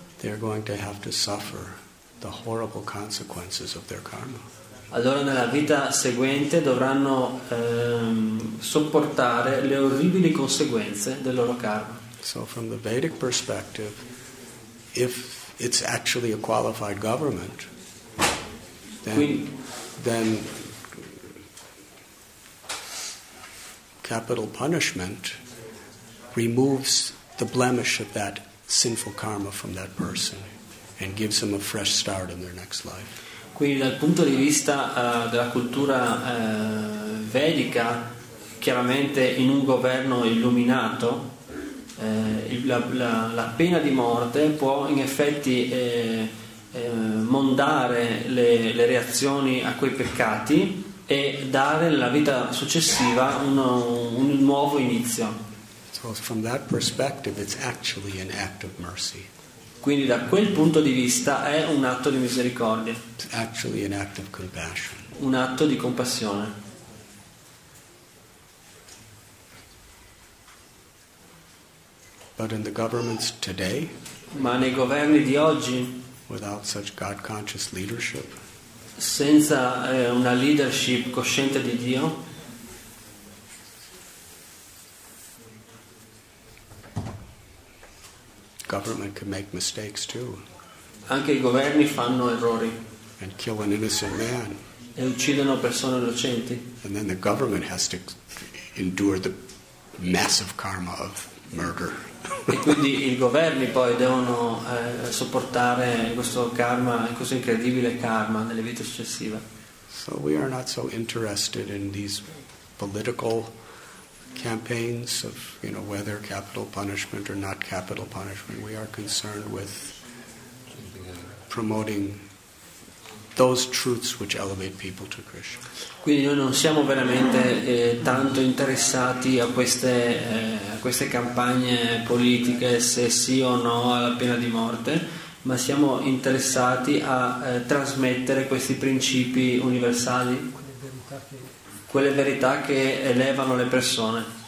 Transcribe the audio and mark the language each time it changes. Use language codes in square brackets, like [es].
[en] they're going to have to suffer the horrible consequences of their karma. [it] Allora nella vita seguente dovranno sopportare le orribili conseguenze del loro karma. [en] So from the Vedic perspective, if it's actually a qualified government, then capital punishment removes the blemish of that sinful karma from that person and gives them a fresh start in their next life. [it] Quindi dal punto di vista della cultura vedica, chiaramente in un governo illuminato la pena di morte può in effetti mondare le reazioni a quei peccati e dare alla vita successiva un nuovo inizio. [en] So from that perspective it's actually an act of mercy. [it] Quindi da quel punto di vista è un atto di misericordia. [en] It's actually an act of compassion. [it] Un atto di compassione. [en] But in the governments today, [it] ma nei governi di oggi, [en] without such God-conscious leadership, [it] senza una leadership cosciente di Dio, [en] government can make mistakes too. [it] Anche i governi fanno errori. [en] And kill an innocent man. [it] E uccidono persone innocenti. [en] And then the government has to endure the massive karma of murder. [it] E quindi i governi poi devono sopportare questo karma, questo incredibile karma nelle vite successive. [en] So we are not so interested in these political campaigns of, you know, whether capital punishment or not capital punishment. We are concerned with promoting those truths which elevate people to Krishna. [it] Quindi noi non siamo veramente tanto interessati a queste campagne politiche, se sì o no alla pena di morte, ma siamo interessati a trasmettere questi principi universali, quelle verità che elevano le persone.